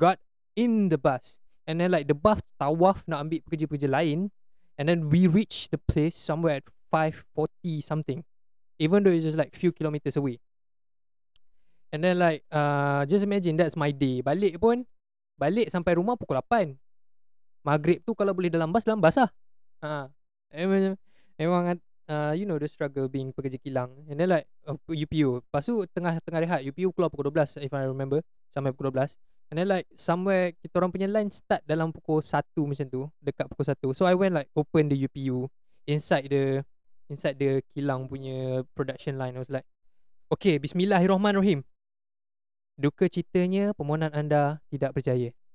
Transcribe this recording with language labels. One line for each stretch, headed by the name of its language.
English: Got in the bus, and then like the bus
Malay: tawaf nak ambil pekerja-pekerja lain,
English: and then we reach the place somewhere at 5:40 something, even though it's just like few kilometers away. And then like just imagine that's my day.
Malay: Balik pun, balik sampai rumah pukul 8. Maghrib tu kalau boleh dalam bas, dalam bas lah.
English: Memang you know the struggle being
Malay: pekerja kilang.
English: And then like
Malay: UPU, lepas tu tengah rehat, UPU keluar pukul 12
English: if I remember,
Malay: sampai pukul 12.
English: And then like
Malay: somewhere kita orang punya line start dalam pukul 1 macam tu, dekat pukul 1.
English: So I went like open the UPU inside the kilang punya production line. I was like okay, bismillahirrahmanirrahim,
Malay: duka citanya permohonan anda tidak berjaya.